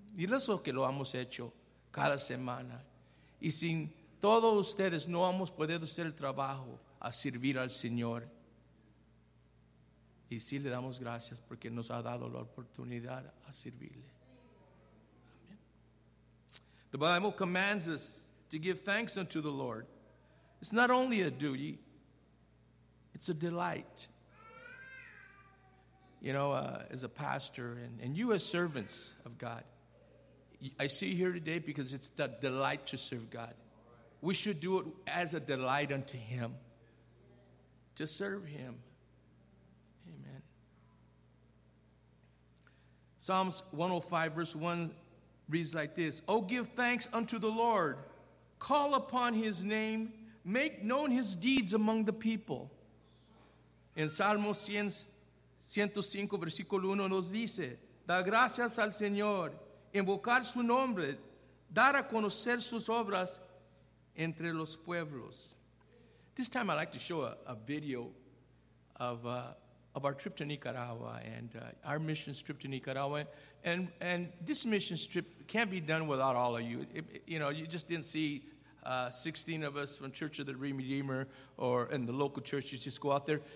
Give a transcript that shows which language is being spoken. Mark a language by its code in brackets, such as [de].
[es] Y eso que lo hemos hecho cada semana. Y sin todos ustedes no hemos podido hacer el trabajo a servir al Señor. Y sí le damos gracias porque nos ha dado la oportunidad a servirle. Amen. [en] The Bible commands us to give thanks unto the Lord. It's not only a duty, it's a delight. You know, as a pastor and you as servants of God, I see you here today because it's the delight to serve God. We should do it as a delight unto Him, to serve Him. Amen. Psalms 105 verse 1 reads like this. Oh, give thanks unto the Lord. Call upon His name. Make known His deeds among the people. [es] En Salmo 105 versículo 1 nos dice, da gracias al Señor, invocar su nombre, dar a conocer sus obras entre los pueblos. [en] This time I'd like to show a video of our trip to Nicaragua and our missions trip to Nicaragua. And this missions trip can't be done without all of you. You just didn't see 16 of us from Church of the Redeemer or in the local churches just go out there.